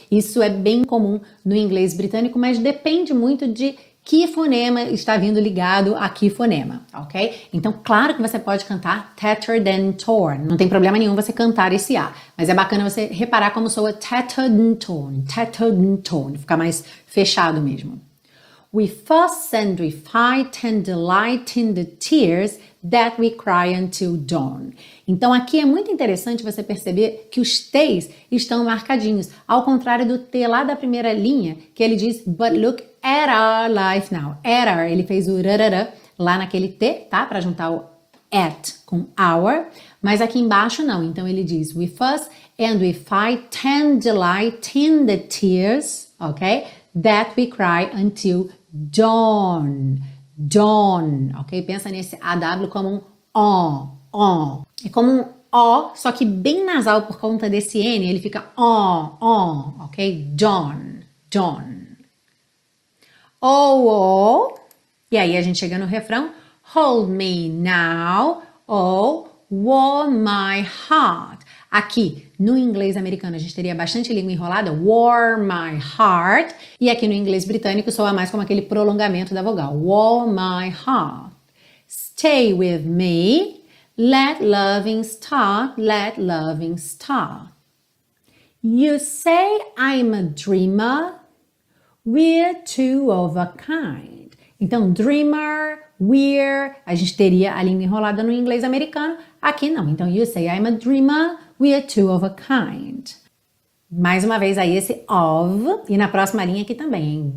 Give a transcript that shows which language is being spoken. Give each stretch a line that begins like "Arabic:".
Portuguese: Isso é bem comum no inglês britânico, mas depende muito de que fonema está vindo ligado a que fonema, ok? Então, claro que você pode cantar
English: tattered and torn,
Portuguese: não tem problema nenhum você cantar esse A, mas é bacana você reparar como soa tattered and torn, tattered and torn, ficar mais fechado mesmo.
English: We fuss and we fight and delight in the tears that we cry until dawn.
Portuguese: Então aqui é muito interessante você perceber que os T's estão marcadinhos, ao contrário do T lá da primeira linha, que ele diz,
English: but look at our life now.
Portuguese: At our, ele fez o rarara lá naquele T, tá? Para juntar o at com our, mas aqui embaixo não. Então ele diz,
English: we fuss and we fight and delight in the tears, ok? That we cry until dawn, dawn, ok?
Portuguese: Pensa nesse AW como um O, O. É como um O, só que bem nasal por conta desse N, ele fica O, O, ok? Dawn, dawn. O, O, e aí a gente chega no refrão,
English: hold me now,
Portuguese: O,
English: warm my heart.
Portuguese: Aqui, no inglês americano, a gente teria bastante língua enrolada,
English: warm my heart.
Portuguese: E aqui no inglês britânico, soa mais como aquele prolongamento da vogal,
English: warm my heart. Stay with me, let loving start, let loving start. You say I'm a dreamer, we're two of a kind.
Portuguese: Então,
English: dreamer, we're,
Portuguese: a gente teria a língua enrolada no inglês americano, aqui não. Então,
English: you say I'm a dreamer, we are two of a kind.
Portuguese: Mais uma vez aí esse of, e na próxima linha aqui também, hein?